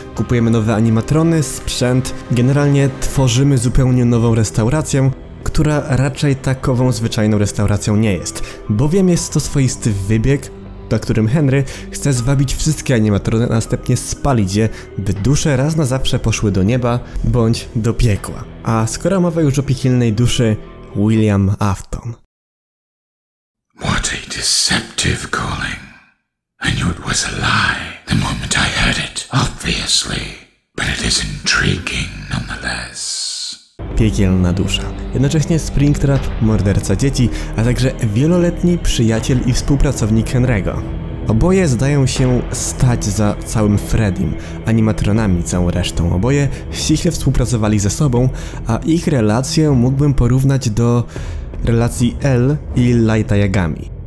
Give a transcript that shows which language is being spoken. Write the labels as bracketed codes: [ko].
[pl] Kupujemy nowe animatrony, sprzęt, generalnie tworzymy zupełnie nową restaurację, która raczej takową zwyczajną restauracją nie jest. Bowiem jest to swoisty wybieg, na którym Henry chce zwabić wszystkie animatrony, a następnie spalić je, by dusze raz na zawsze poszły do nieba bądź do piekła. A skoro mowa już o piekielnej duszy, William Afton. [en] What a deceptive calling. I knew it was a lie the moment I heard it, obviously, but it is intriguing nonetheless. [pl] Piekielna dusza. Jednocześnie Springtrap, morderca dzieci, a także wieloletni przyjaciel i współpracownik Henry'ego. Oboje zdają się stać za całym Freddym, animatronami całą resztą. Oboje ściśle współpracowali ze sobą, a ich relację mógłbym porównać do relacji L i Lighta Yagami.